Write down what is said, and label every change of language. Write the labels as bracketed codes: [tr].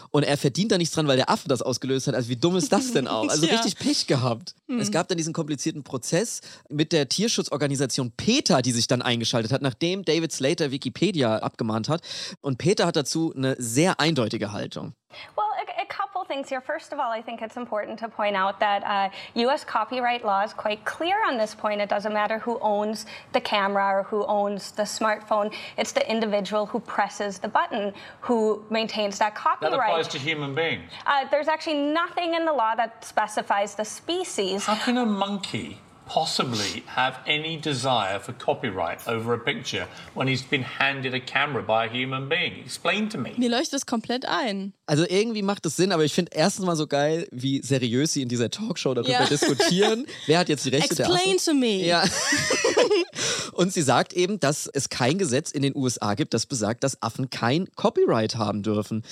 [de] Und er verdient da nichts dran, weil der Affe das ausgelöst hat. Also wie dumm ist das denn auch? Also ja. Richtig Pech gehabt. Es gab dann diesen komplizierten Prozess mit der Tierschutzorganisation PETA, die sich dann eingeschaltet hat, nachdem David Slater Wikipedia abgemahnt hat. Und PETA hat dazu eine sehr eindeutige Haltung. [en] Well, a couple things here. First of all, I think it's important to point out that U.S. copyright law is quite clear on this point. It doesn't matter who owns the camera or who owns the smartphone. It's the individual who presses the button who maintains that copyright. That applies to human beings. There's actually nothing in the law that specifies the species. How can a monkey possibly have any desire for copyright over a picture when he's been handed a camera by a human being? Explain to me. [de] Mir leuchtet es komplett ein. Also irgendwie macht es Sinn, aber ich finde erstens mal so geil, wie seriös sie in dieser Talkshow darüber ja. diskutieren. Wer hat jetzt die Rechte [en] Explain [de] der [en] Explain to me. [de] Ja. Und sie sagt eben, dass es kein Gesetz in den USA gibt, das besagt, dass Affen kein Copyright haben dürfen.